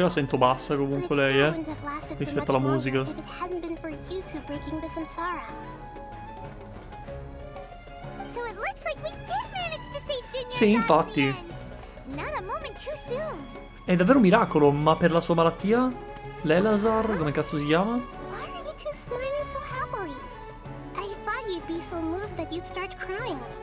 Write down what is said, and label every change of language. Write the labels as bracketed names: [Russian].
[Italian] Io la sento bassa comunque lei, rispetto alla musica. [English] If it hadn't been for you two breaking the samsara. So it looks like we did manage to save Dunyarzad. [Italian] Sì, infatti. [English] Not a moment too soon. [Italian] È davvero un miracolo, ma per la sua malattia? Lelazar, come cazzo si chiama? [English] Why are you two smiling so happily? I thought you'd be so moved that you'd start crying.